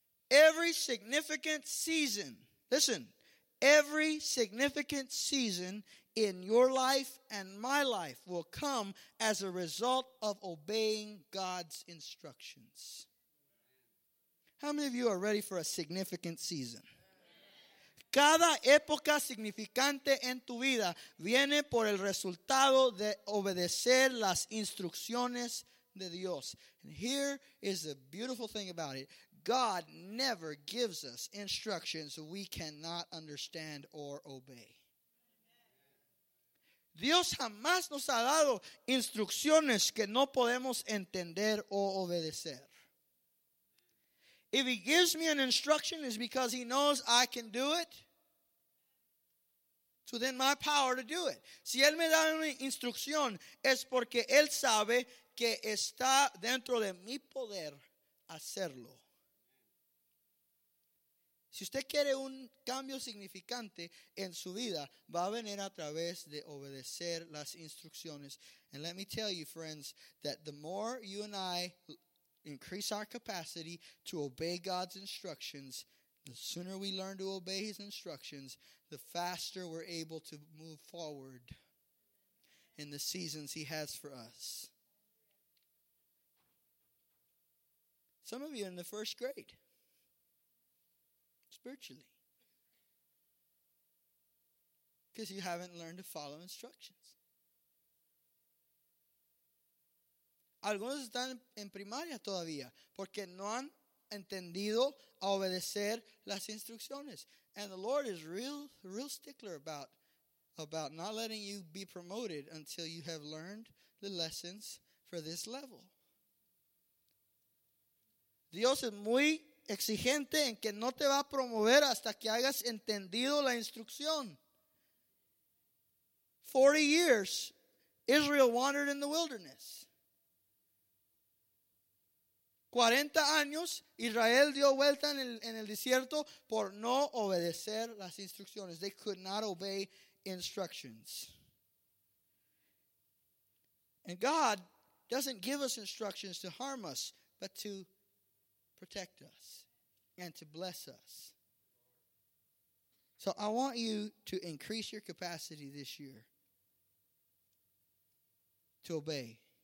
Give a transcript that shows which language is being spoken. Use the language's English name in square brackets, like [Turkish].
[English] Every significant season, listen, every significant season in your life and my life will come as a result of obeying God's instructions. How many of you are ready for a significant season? [Spanish] Cada época significante en tu vida viene por el resultado de obedecer las instrucciones de Dios. [English] And here is the beautiful thing about it. God never gives us instructions we cannot understand or obey. [Spanish] Dios jamás nos ha dado instrucciones que no podemos entender o obedecer. [English] If he gives me an instruction, it's because he knows I can do it. So then my power to do it. [Spanish] Si él me da una instrucción, es porque él sabe que está dentro de mi poder hacerlo. Si usted quiere un cambio significante en su vida, va a venir a través de obedecer las instrucciones. [English] And let me tell you, friends, that the more you and I increase our capacity to obey God's instructions, the sooner we learn to obey his instructions, the faster we're able to move forward in the seasons he has for us. Some of you are in the first grade. Spiritually. Because you haven't learned to follow instructions. [Spanish] Algunos están en primaria todavía porque no han entendido a obedecer las instrucciones. [English] And the Lord is real stickler about not letting you be promoted until you have learned the lessons for this level. [Spanish] Dios es muy exigente en que no te va a promover hasta que hayas entendido la instrucción. [English] 40 years, Israel wandered in the wilderness. [Spanish] 40 años, Israel dio vuelta en el desierto por no obedecer las instrucciones. [English] They could not obey instructions. And God doesn't give us instructions to harm us, but to protect us and to bless us. So I want you to increase your capacity this year to obey.